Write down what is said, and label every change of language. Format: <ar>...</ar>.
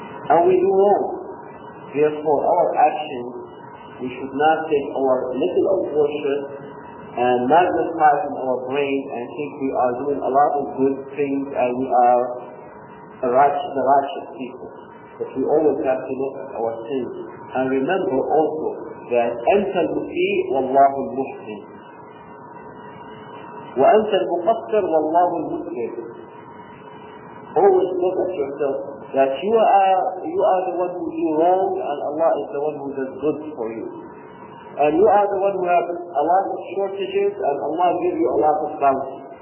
<en>And we do wrong. Therefore, our actions, we should not take our little of worship and magnify it in our brain and think we are doing a lot of good things and we are the righteous people. But we always have to look at our sins. And remember also that</en> <ar>أَنْتَ الْمُسِيءُ وَاللَّهُ الْمُحْسِنُ وَأَنْتَ الْمُقَصِّرُ وَاللَّهُ الْمُسْرِفُ.</ar> <en>Always look at yourself that you are the one who do wrong and Allah is the one who does good for you. And you are the one who have a lot of shortages and Allah give you a lot of bounty.</en>